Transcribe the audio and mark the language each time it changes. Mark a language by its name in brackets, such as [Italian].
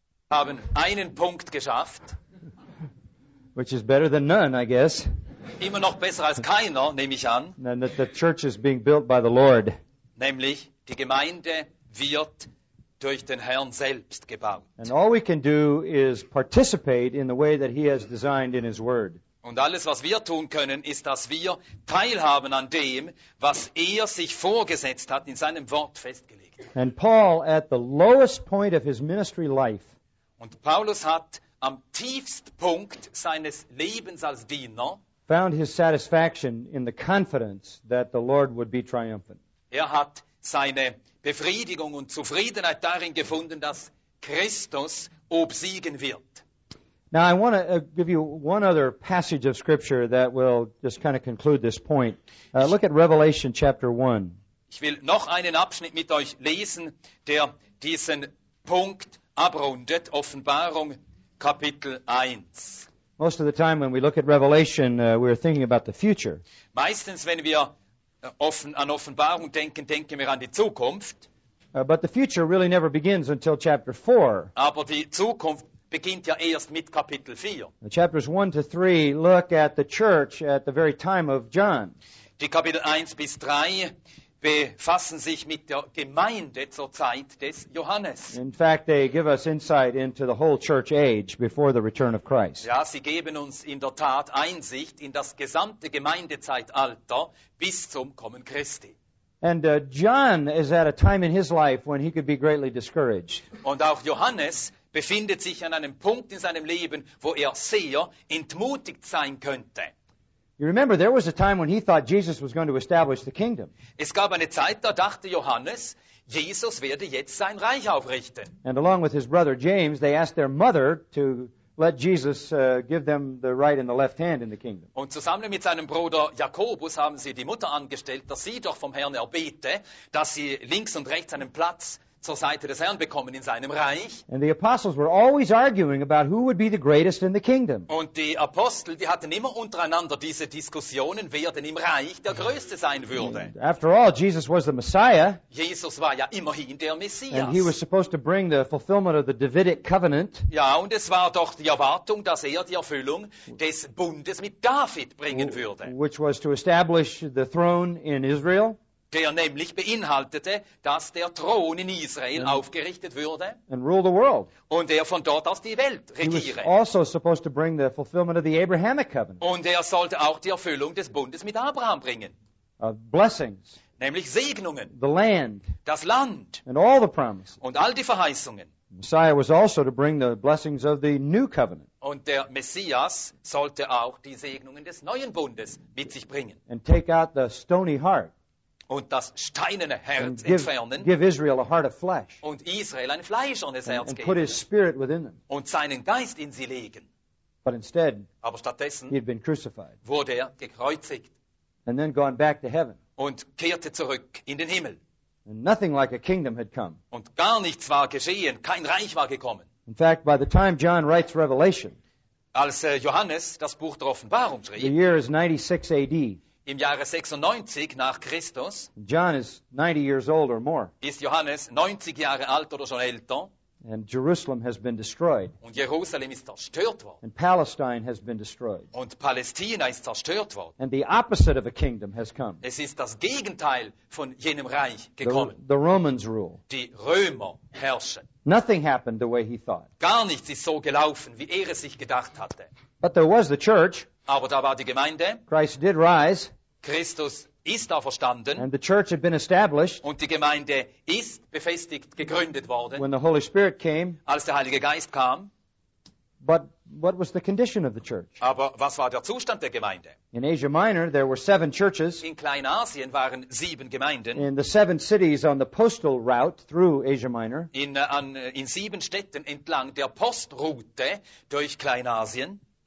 [German] haben einen Punkt geschafft. [English] Which is better than none, I guess. [German] Immer noch besser als keiner, nehme ich an. [English] And that the church is being built by the Lord. [German] Nämlich, die Gemeinde wird durch den Herrn selbst gebaut. [English] And all we can do is participate in the way that he has designed in his word. [German] Und alles, was wir tun können, ist, dass wir teilhaben an dem, was er sich vorgesetzt hat, in seinem Wort festgelegt. [English] And Paul, at the lowest point of his ministry life, [German] und Paulus hat am Tiefstpunkt seines Lebens als Diener [English] found his satisfaction in the confidence that the Lord would be triumphant. [German] Er hat seine Befriedigung und Zufriedenheit darin gefunden, dass Christus obsiegen wird. [English] Now I want to give you one other passage of scripture that will just kind of conclude this point. Look at Revelation chapter 1. [German] Ich will noch einen Abschnitt mit euch lesen, der diesen Punkt abrundet, Offenbarung Kapitel 1. [English] Most of the time when we look at Revelation, we're thinking about the future. [German] Meistens, wenn wir an Offenbarung denken, denken wir an die Zukunft. [English] But the future really never begins until chapter 4. [German] Aber die Zukunft beginnt ja erst mit Kapitel 4. [English] Chapters 1 to 3 look at the church at the very time of John. [German] Die Kapitel 1 bis 3 befassen sich mit der Gemeinde zur Zeit des Johannes. [English] In fact, they give us insight into the whole church age before the return of Christ. [German] Ja, sie geben uns in der Tat Einsicht in das gesamte Gemeindezeitalter bis zum Kommen Christi. [English] And John is at a time in his life when he could be greatly discouraged. [German] Und auch Johannes befindet sich an einem Punkt in seinem Leben, wo er sehr entmutigt sein könnte. [English] You remember, there was a time when he thought Jesus was going to establish the kingdom. [German] Es gab eine Zeit, da dachte Johannes, Jesus werde jetzt sein Reich aufrichten. [English] And along with his brother James, they asked their mother to let Jesus give them the right and the left hand in the kingdom. [German] Und zusammen mit seinem Bruder Jakobus haben sie die Mutter angestellt, dass sie doch vom Herrn erbete, dass sie links und rechts einen Platz zur Seite des Herrn bekommen in seinem Reich. [English] And the apostles were always arguing about who would be the greatest in the kingdom. [German] Und die Apostel, die hatten immer untereinander diese Diskussionen, wer denn im Reich der Größte sein würde. [English] And after all, Jesus was the Messiah. [German] Jesus war ja immerhin der Messias. [English] And he was supposed to bring the fulfillment of the Davidic covenant. [German] Ja, und es war doch die Erwartung, dass er die Erfüllung des Bundes mit David bringen würde. [English] Which was to establish the throne in Israel. [German] Der nämlich beinhaltete, dass der Thron in Israel aufgerichtet würde [English] and rule the world. [German] Und er von dort aus die Welt regiere. [English] He was also supposed to bring the fulfillment of the Abrahamic covenant. [German] Und er sollte auch die Erfüllung des Bundes mit Abraham bringen. [English] Blessings. [German] Nämlich Segnungen. [English] The land. [German] Das Land. [English] And all the promises. [German] Und all die Verheißungen. [English] The Messiah was also to bring the blessings of the new covenant. [German] Und der Messias sollte auch die Segnungen des neuen Bundes mit sich bringen. [English] And take out the stony heart. [German] Und das steinerne Herz [English] and give, [German] entfernen. [English] Give Israel a heart of flesh. [German] Und Israel ein fleischernes Herz geben. [English] And put his spirit within them. [German] Und seinen Geist in sie legen. [English] But instead, [German] aber stattdessen [English] he had been crucified. [German] Wurde er gekreuzigt. [English] And then gone back to heaven. [German] Und kehrte zurück in den Himmel. [English] And nothing like a kingdom had come. [German] Und gar nichts war geschehen, kein Reich war gekommen. [English] In fact, by the time John writes Revelation, [German] als Johannes das Buch der Offenbarung schrieb, [English] the year is 96 AD. [German] Im Jahre 96 nach Christus, [English] John is 90 years old or more. [German] Ist Johannes 90 Jahre alt oder schon älter. [English] And Jerusalem has been destroyed. [German] Und Jerusalem ist zerstört worden. [English] And Palestine has been destroyed. [German] Und Palästina ist zerstört worden. [English] And the opposite of a kingdom has come. [German] Es ist das Gegenteil von jenem Reich gekommen. [English] The Romans rule. [German] Die Römer herrschen. [English] Nothing happened the way he thought. [German] Gar nichts ist so gelaufen, wie er es sich gedacht hatte. [English] But there was the church. [German] Aber da war die Gemeinde. [English] Christ did rise. [German] Christus ist auferstanden. [English] And the church had been established. [German] Und die Gemeinde ist befestigt, gegründet worden. [English] When the Holy Spirit came. [German] Als der Heilige Geist kam. [English] But what was the condition of the church? [German] Aber was war der Zustand der Gemeinde? [English] In Asia Minor, there were seven churches. [German] In Kleinasien waren sieben Gemeinden. [English] In the seven cities on the postal route through Asia Minor. [German] In sieben Städten entlang der Postroute durch Kleinasien.